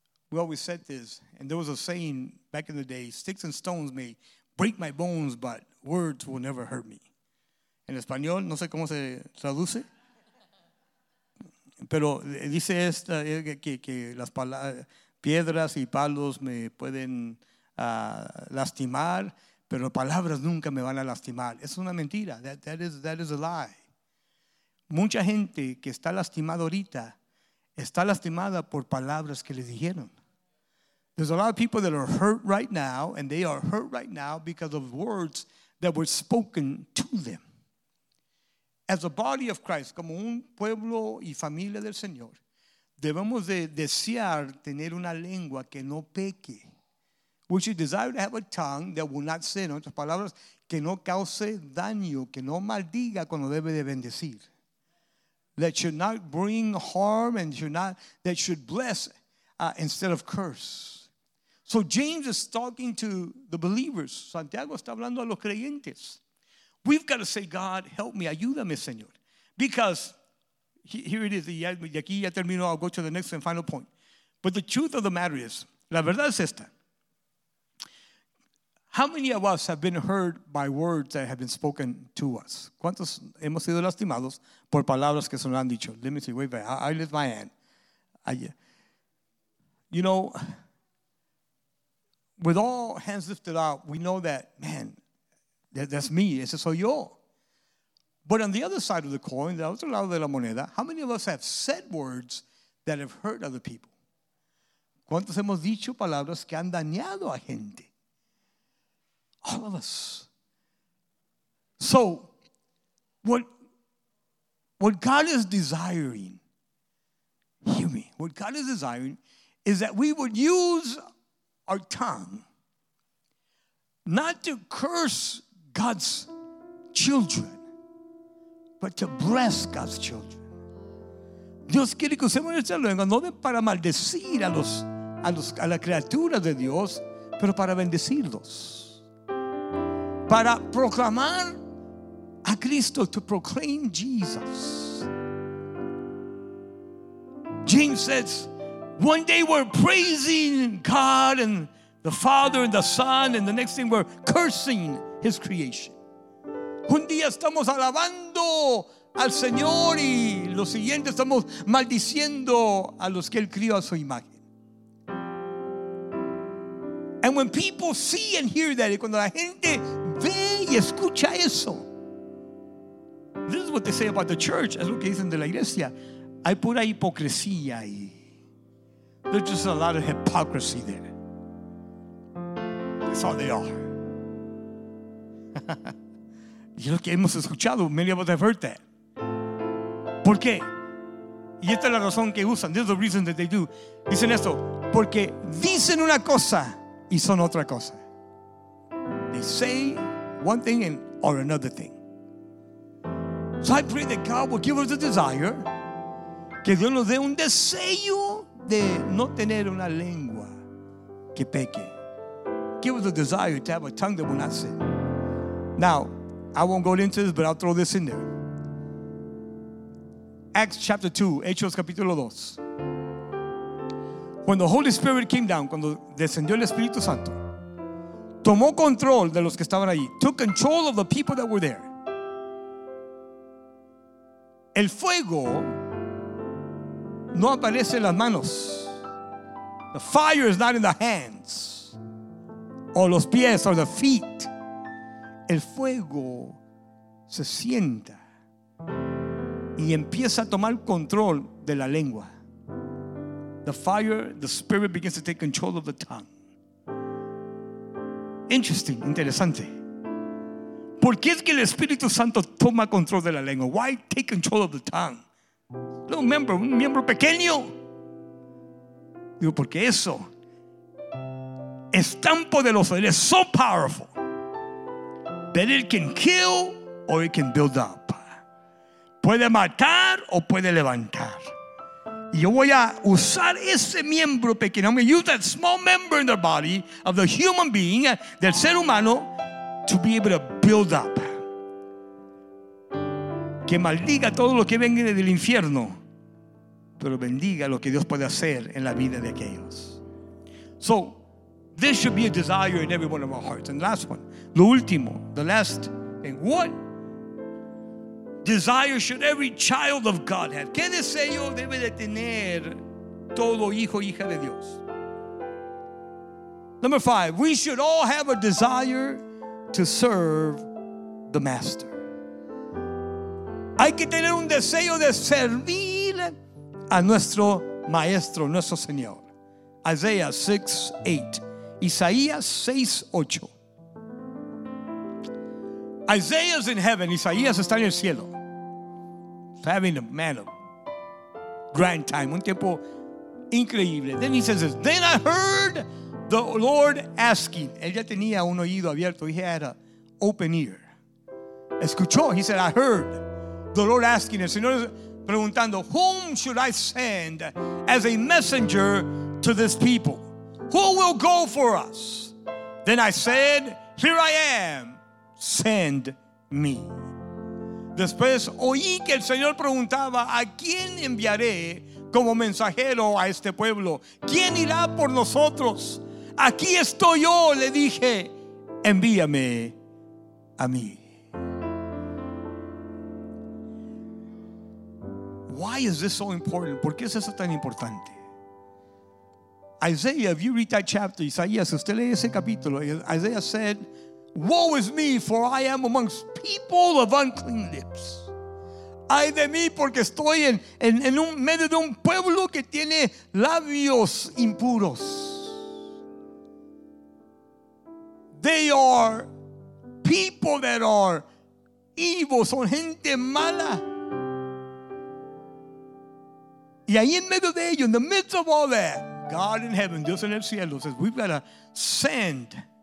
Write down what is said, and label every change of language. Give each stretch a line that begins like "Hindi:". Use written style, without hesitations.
English: We always said this, and there was a saying back in the day, sticks and stones may break my bones, but words will never hurt me.
Spanish: En español, no sé cómo se traduce. Pero dice esta que las piedras y palos me pueden lastimar, pero palabras nunca me van a lastimar. Es una mentira.
English: That is a lie.
Spanish: Mucha gente que está lastimada ahorita está lastimada por palabras que le dijeron.
English: There's a lot of people that are hurt right now, and they are hurt right now because of words that were spoken to them. As a body of Christ,
Spanish: como un pueblo y familia del Señor, debemos de desear tener una lengua que no peque.
English: We should desire to have a tongue that will not sin.
Spanish: En otras palabras, que no cause daño, que no maldiga cuando debe de bendecir.
English: That should not bring harm and should not, that should bless instead of curse. So James is talking to the believers.
Spanish: Santiago está hablando a los creyentes.
English: We've got to say, God, help me,
Spanish: ayúdame, Señor.
English: Because here it is,
Spanish: y aquí ya termino,
English: I'll go to the next and final point. But the truth of the matter is,
Spanish: la verdad es esta.
English: How many of us have been hurt by words that have been spoken to us?
Spanish: ¿Cuántos hemos sido lastimados por palabras que se nos han dicho?
English: Let me see, wait a minute, I lift my hand. You know, with all hands lifted up, we know that, man, that's me,
Spanish: ese soy yo.
English: But on the other side of the coin, the
Spanish: otro lado de la moneda,
English: how many of us have said words that have hurt other people?
Spanish: ¿Cuántos hemos dicho palabras que han dañado a gente?
English: All of us. So, what God is desiring, hear me, what God is desiring is that we would use our tongue not to curse God's children, but to bless God's children.
Spanish: Dios quiere que usemos nuestra lengua no para maldecir a las criaturas de Dios, pero para bendecirlos. Para proclamar a Cristo,
English: to proclaim Jesus. James says, one day we're praising God and the Father and the Son, and the next thing we're cursing His creation.
Spanish: Un día estamos alabando al Señor y lo siguiente estamos maldiciendo a los que Él crió a su imagen.
English: And when people see and hear that,
Spanish: cuando la gente ve y escucha eso,
English: this is what they say about the church.
Spanish: Es lo que dicen de la iglesia. Hay pura hipocresía ahí.
English: There's just a lot of hypocrisy there. That's all they are.
Spanish: Y es lo que hemos escuchado.
English: Many of us have heard that.
Spanish: ¿Por qué? Y esta es la razón que usan.
English: This is the reason that they do.
Spanish: Dicen esto. Porque dicen una cosa y son otra cosa.
English: They say one thing and or another thing. So I pray that God will give us a desire.
Spanish: Que Dios nos dé un deseo de no tener una lengua que peque.
English: Give us a desire to have a tongue that will not sin. Now, I won't go into this, but I'll throw this in there. Acts chapter 2,
Spanish: Hechos capítulo 2.
English: When the Holy Spirit came down,
Spanish: cuando descendió el Espíritu Santo, tomó control de los que estaban allí,
English: took control of the people that were there.
Spanish: El fuego no aparece en las manos.
English: The fire is not in the hands, or
Spanish: los pies,
English: or the feet.
Spanish: El fuego se sienta y empieza a tomar control de la lengua.
English: The fire, the spirit begins to take control of the tongue. Interesting,
Spanish: interesante. ¿Por qué es que el Espíritu Santo toma control de la lengua?
English: Why take control of the tongue? Little member,
Spanish: un miembro pequeño. Digo, porque eso es tan poderoso.
English: It is so powerful that it can kill or it can build up.
Spanish: Puede matar o puede levantar. Yo voy a usar ese miembro pequeño.
English: I'm going to use that small member in the body of the human being,
Spanish: del ser humano,
English: to be able to build up.
Spanish: Que maldiga todo lo que venga del infierno, pero bendiga lo que Dios puede hacer en la vida de aquellos.
English: So, this should be a desire in every one of our hearts. And last one,
Spanish: lo último,
English: the last thing. What desire should every child of God have?
Spanish: ¿Qué deseo debe de tener todo hijo e hija de Dios?
English: Number five, we should all have a desire to serve the Master.
Spanish: Hay que tener un deseo de servir a nuestro Maestro, nuestro Señor.
English: Isaiah 6:8. Isaías 6:8. Isaiah is in heaven.
Spanish: Isaías está en el cielo.
English: having a man of grand time,
Spanish: un tiempo increíble.
English: Then he says this, then I heard the Lord asking.
Spanish: Él ya tenía un oído abierto.
English: He had an open ear.
Spanish: Escuchó.
English: He said, I heard the Lord asking.
Spanish: El Señor preguntando,
English: whom should I send as a messenger to this people? Who will go for us? Then I said, here I am, send me.
Spanish: Después oí que el Señor preguntaba, ¿a quién enviaré como mensajero a este pueblo? ¿Quién irá por nosotros? Aquí estoy yo, le dije, envíame a mí.
English: Why is this so important?
Spanish: ¿Por qué es eso tan importante?
English: Isaiah, if you read that chapter,
Spanish: Isaías, si usted lee ese capítulo,
English: Isaiah said, woe is me, for I am amongst people of unclean lips.
Spanish: Ay de mí, porque estoy en un medio de un pueblo que tiene labios impuros.
English: They are people that are evil, son gente mala.
Spanish: Y ahí en medio de ellos,
English: in the midst of all that, God in heaven,
Spanish: Dios en el cielo,
English: says, we've got to send.